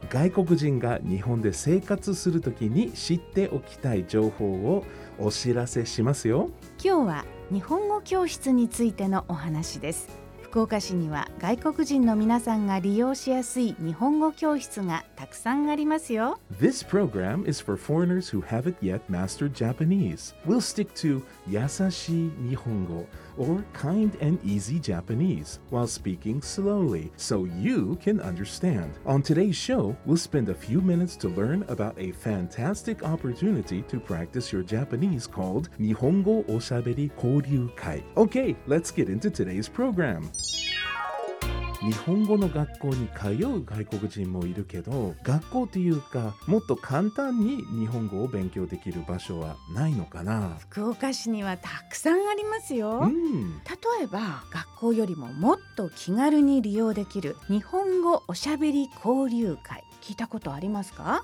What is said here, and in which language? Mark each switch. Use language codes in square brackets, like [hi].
[ja] 外国人が日本で生活するときに知っておきたい情報をお知らせしますよ。今日は日本語教室についてのお話です。福岡市には外国人の皆さんが利用しやすい日本語教室がたくさんありますよ。 [en] This program is for foreigners who haven't yet mastered Japanese. We'll stick to 優しい日本語 or kind and easy Japanese while speaking slowly so you can understand. On today's show, we'll spend a few minutes to learn about a fantastic opportunity to practice your Japanese called 日本語おしゃべり交流会. Okay, let's get into today's program. [ja] 日本語の学校に通う外国人もいるけど、学校っていうかもっと簡単に日本語を勉強できる場所はないのかな。福岡市にはたくさんありますよ、うん、例えば学校よりももっと気軽に利用できる日本語おしゃべり交流会、聞いたことありますか？